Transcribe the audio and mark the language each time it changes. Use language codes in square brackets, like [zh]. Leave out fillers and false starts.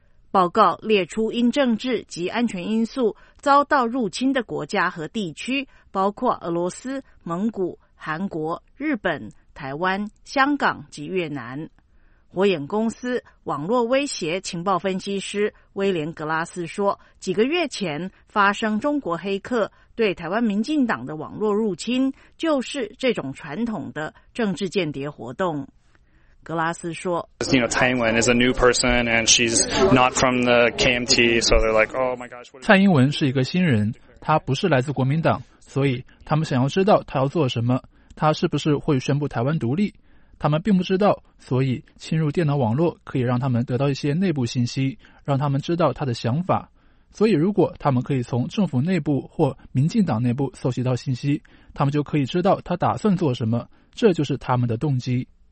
[zh] 报告列出因政治及安全因素遭到入侵的国家和地区，包括俄罗斯、蒙古、韩国、日本、台湾、香港及越南。火眼公司网络威胁情报分析师威廉·格拉斯说，几个月前发生中国黑客对台湾民进党的网络入侵，就是这种传统的政治间谍活动。格拉斯说， [en] you know, Tsai Ing-wen is a new person and she's not from the KMT, so they're like, oh my gosh. [zh] 蔡英文是一个新人，她不是来自国民党，所以他们想要知道她要做什么，她是不是会宣布台湾独立，他们并不知道，所以侵入电脑网络可以让他们得到一些内部信息，让他们知道她的想法。所以如果他们可以从政府内部或民进党内部搜集到信息，他们就可以知道她打算做什么，这就是他们的动机。